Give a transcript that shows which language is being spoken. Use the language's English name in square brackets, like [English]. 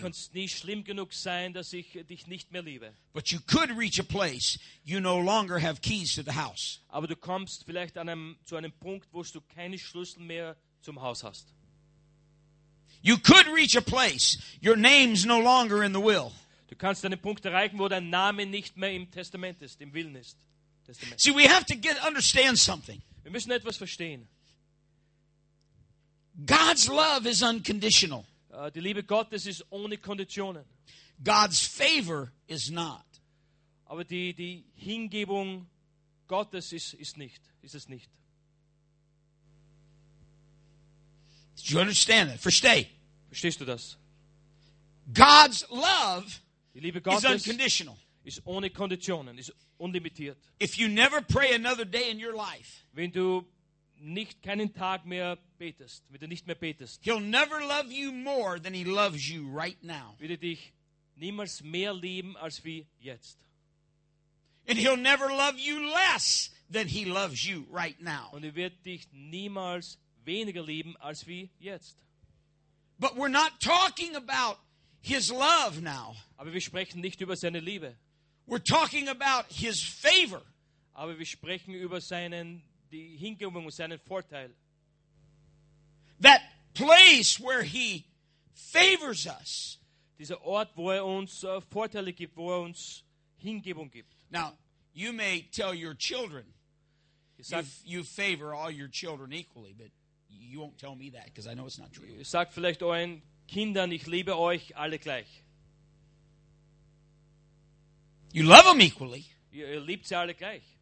[German] Du kannst nie schlimm genug sein, dass ich dich nicht mehr liebe. [English] But you could reach a place you no longer have keys to the house. [German] Aber du kommst vielleicht zu einem Punkt, wo du keine Schlüssel mehr zum Haus hast. [English] You could reach a place your name's no longer in the will. [German] Du kannst einen Punkt erreichen, wo dein Name nicht mehr im Testament ist, im Willen ist. [English] See, we have to understand something. [German] Wir müssen etwas verstehen. [English] God's love is unconditional. [German] Die Liebe Gottes ist ohne Konditionen. [English] God's favor is not. [German] Aber die Hingebung Gottes ist es nicht. [English] Do you understand that? [German] Versteh. Verstehst du das? [English] God's love, [German] die Liebe Gottes, [English] is unconditional. [German] Ist ohne Konditionen, ist unlimitiert. [English] If you never pray another day in your life, [German] wenn du nicht keinen Tag mehr betest, wenn du nicht mehr betest, [English] he'll never love you more than he loves you right now. [German] Wird er dich niemals mehr lieben als wie jetzt. [English] And he'll never love you less than he loves you right now. [German] Und er wird dich niemals weniger lieben als wie jetzt. [English] But we're not talking about his love now. [German] Aber wir sprechen nicht über seine Liebe. [English] We're talking about his favor. [German] Aber wir sprechen über die Hingebung und seinen Vorteil. [English] That place where he favors us. [German] Dieser Ort, wo uns Vorteile gibt, wo uns Hingebung gibt. [English] Now, you may tell your children, you favor all your children equally, but you won't tell me that because I know it's not true. [German] Sagt vielleicht euren Kindern, ich liebe euch alle gleich. [English] You love them equally. [German] Ihr liebt sie alle gleich.